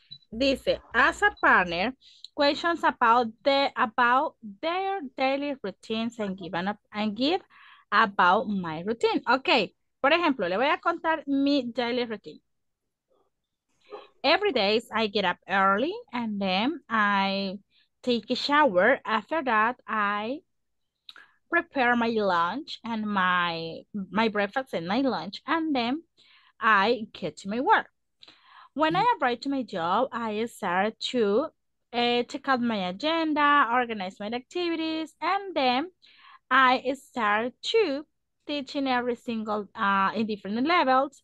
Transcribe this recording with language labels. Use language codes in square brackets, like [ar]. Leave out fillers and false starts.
[es] Dice, [en] as a partner, questions about their daily routines and give about my routine. [es] Ok, por ejemplo, le voy a contar mi daily routine. [en] Every day I get up early and then I take a shower. After that, I prepare my lunch and my breakfast and my lunch. And then I get to my work. When I arrive to my job, I start to check out my agenda, organize my activities, and then I start to teach in every single, in different levels.